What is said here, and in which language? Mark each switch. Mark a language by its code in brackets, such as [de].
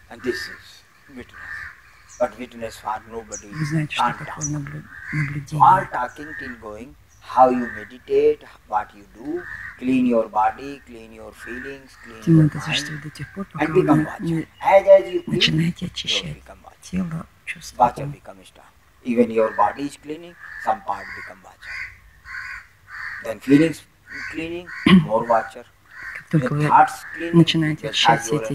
[ru] Вы знаете, что такое наблюдение. [en] How you meditate, what you do, clean your body, clean your feelings, clean your mind, and become watchful. As you clean, you become watchful. Watchful becomes star. Even your body is cleaning, some part become watchful. Then feelings cleaning, more watchful. [ru] Как только вы начинаете очищать